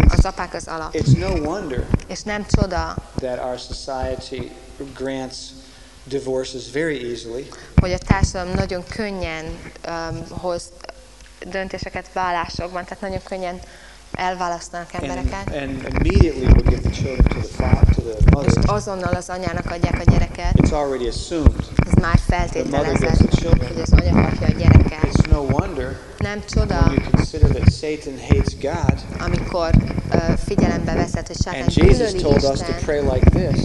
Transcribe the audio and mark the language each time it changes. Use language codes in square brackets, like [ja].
[hu] Az apák az alap. [en] It's no wonder. [hu] És nem csoda. [en] That our society grants divorces very easily. [hu] Hogy a társadalom nagyon könnyen hoz döntéseket válásokban, tehát nagyon könnyen elválasztanak embereket. [en] And immediately we give the children to the father, to the mother. [hu] És azonnal az anyának adják a gyereket. [en] It's already assumed. [hu] Ez már feltételezett, hogy az anya kapja a gyereket. [en] It's no wonder. [hu] Nem csoda. [en] When you consider that Satan hates God. [hu] Amikor figyelembe veszed, hogy Sátán gyűlöli Isten. Like